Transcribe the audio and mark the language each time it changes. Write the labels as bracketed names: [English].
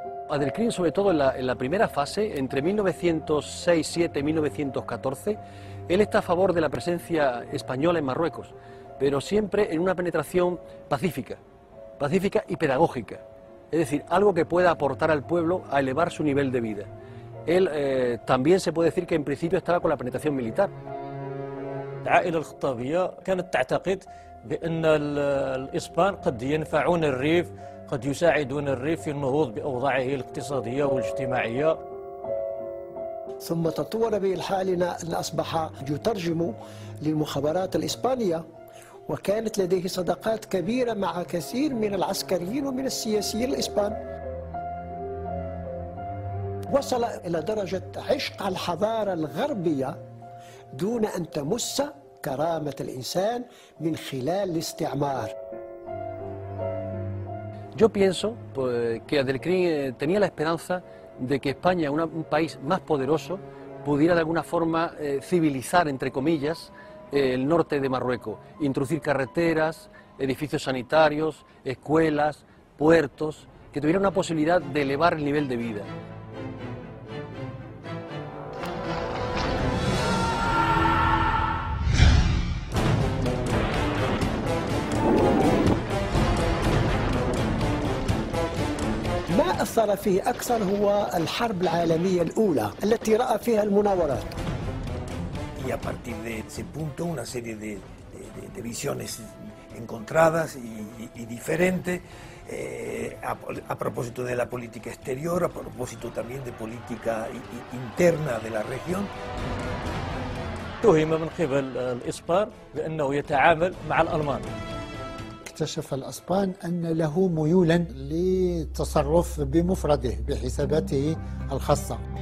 [Spanish] Abdelkrim, sobre todo en la primera fase, entre 1906-1907 y 1914, él está a favor de la presencia española en Marruecos, pero siempre en una penetración pacífica, pacífica y pedagógica. Es decir, algo que pueda aportar al pueblo a elevar su nivel de vida. Él también se puede decir que en principio estaba con la penetración militar. [Arabic] عائلة الخطابية كانت تعتقد بأن الإسبان قد ينفعون الريف قد يساعدون الريف في النهوض بأوضاعه الاقتصادية والاجتماعية. ثم تطور به الحال أن أصبح يترجم للمخابرات الإسبانية، وكانت لديه صداقات كبيرة مع كثير من العسكريين ومن السياسيين الإسبان. وصل إلى درجة عشق الحضارة الغربية دون أن تمس كرامة الإنسان من خلال الاستعمار. [Spanish] Yo pienso que Adelkrim tenía la esperanza de que España, un país más poderoso, pudiera de alguna forma civilizar, entre comillas, el norte de Marruecos, introducir carreteras, edificios sanitarios, escuelas, puertos, que tuviera una posibilidad de elevar el nivel de vida. [Arabic] أثر فيه أكثر هو الحرب العالمية الأولى التي رأى فيها المناورات. [Spanish] Y a partir de ese punto una serie de visiones encontradas y diferentes a propósito de la política exterior, a propósito también de política interna de la región. [Arabic] توهم من قبل الإسبان بأنه يتعامل مع الألمان. اكتشف الأسبان أن له ميولا للتصرف بمفرده بحساباته الخاصة.